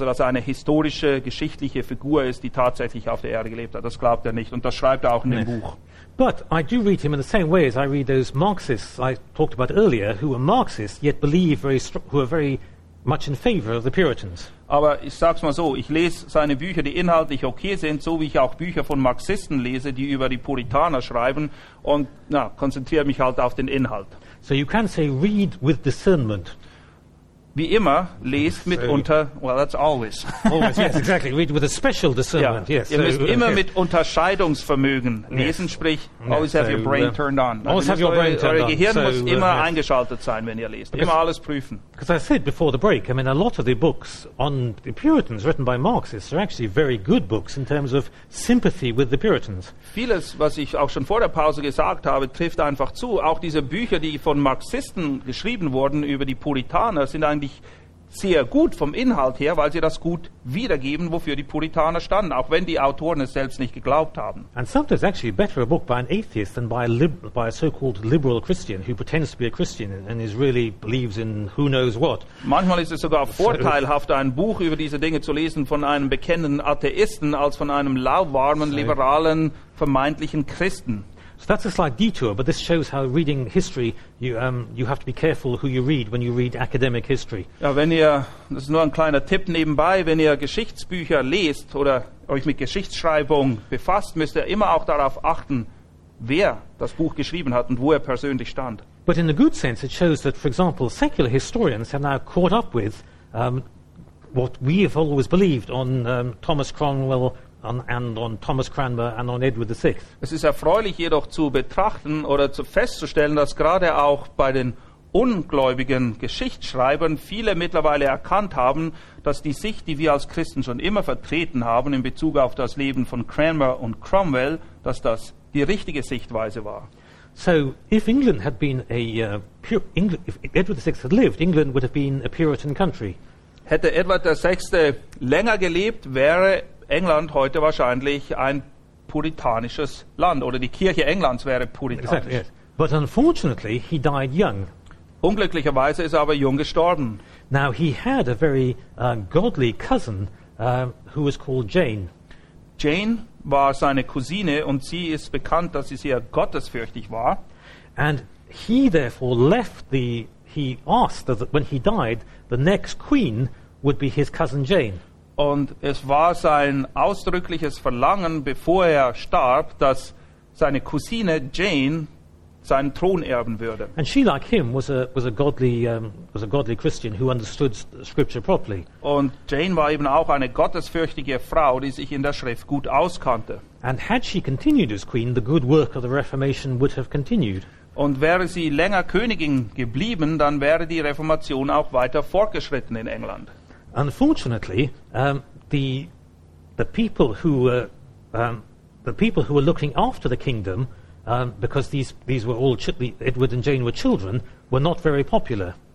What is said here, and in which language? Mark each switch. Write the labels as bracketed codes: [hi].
[de] Also, dass er eine historische, geschichtliche Figur ist, die tatsächlich auf der Erde gelebt hat. Das glaubt er nicht. Und das schreibt er auch in dem Buch. [en] But I do read him in the same way as I read those Marxists I talked about earlier, who were Marxists, yet believe very who are very much in favor of the Puritans. [de] Aber ich sag's mal so, ich lese seine Bücher, die inhaltlich okay sind, so wie ich auch Bücher von Marxisten lese, die über die Puritaner schreiben, und konzentriere mich halt auf den Inhalt. [en] So you can say read with discernment. [de] wie immer, lest mit unter, [en] well, that's always. Always, yes, exactly. Read with a special discernment, yeah. Yes. [de] Ihr müsst immer mit Unterscheidungsvermögen lesen, sprich, [en] always have your brain turned on. Always have your brain turned on. [de] Euer Gehirn muss immer eingeschaltet sein, wenn ihr lest. Because, immer alles prüfen. [en] Because I said before the break, I mean, a lot of the books on the Puritans written by Marxists are actually very good books in terms of sympathy with the Puritans. [de] Vieles, was ich auch schon vor der Pause gesagt habe, trifft einfach zu. Auch diese Bücher, die von Marxisten geschrieben wurden über die Puritaner, sind eigentlich sehr gut vom Inhalt her, weil sie das gut wiedergeben, wofür die Puritaner standen, auch wenn die Autoren es selbst nicht geglaubt haben. [en] And sometimes actually better a book by an atheist than by by a so-called liberal Christian who pretends to be a Christian and is really believes in who knows what. [de] Manchmal ist es sogar vorteilhafter, ein Buch über diese Dinge zu lesen von einem bekennenden Atheisten als von einem lauwarmen, liberalen, vermeintlichen Christen. [en] So that's a slight detour, but this shows how reading history, you have to be careful who you read when you read academic history. [de] Ja, wenn ihr, das ist nur ein kleiner Tipp nebenbei, wenn ihr Geschichtsbücher lest oder euch mit Geschichtsschreibung befasst, müsst ihr immer auch darauf achten, wer das Buch geschrieben hat und wo er persönlich stand. [en] But in a good sense, it shows that, for example, secular historians have now caught up with what we have always believed on Thomas Cromwell. On Thomas Cranmer and on Edward VI. [de] Es ist erfreulich jedoch zu betrachten oder zu festzustellen, dass gerade auch bei den ungläubigen Geschichtsschreibern viele mittlerweile erkannt haben, dass die Sicht, die wir als Christen schon immer vertreten haben in Bezug auf das Leben von Cranmer und Cromwell, dass das die richtige Sichtweise war. [en] So if England had been a if Edward VI had lived, England would have been a Puritan country. [de] Hätte Edward VI länger gelebt, wäre England heute wahrscheinlich ein puritanisches Land oder die Kirche Englands wäre puritanisch. [en] Exactly, yes. But unfortunately, he died young. [de] Unglücklicherweise ist er aber jung gestorben. [en] Now he had a very godly cousin who was called Jane. [de] Jane war seine Cousine und sie ist bekannt, dass sie sehr gottesfürchtig war. [en] And he therefore left the. He asked that when he died, the next queen would be his cousin Jane. [de] Und es war sein ausdrückliches Verlangen, bevor er starb, dass seine Cousine Jane seinen Thron erben würde. [en] And she, like him, was a godly Christian who understood Scripture properly. [de] Und Jane war eben auch eine gottesfürchtige Frau, die sich in der Schrift gut auskannte. [en] And had she continued as queen, the good work of the Reformation would have continued. [de] Und wäre sie länger Königin geblieben, dann wäre die Reformation auch weiter fortgeschritten in England. [en] Unfortunately, the people who were looking after the kingdom, because these were all Edward and Jane were children, were not very popular.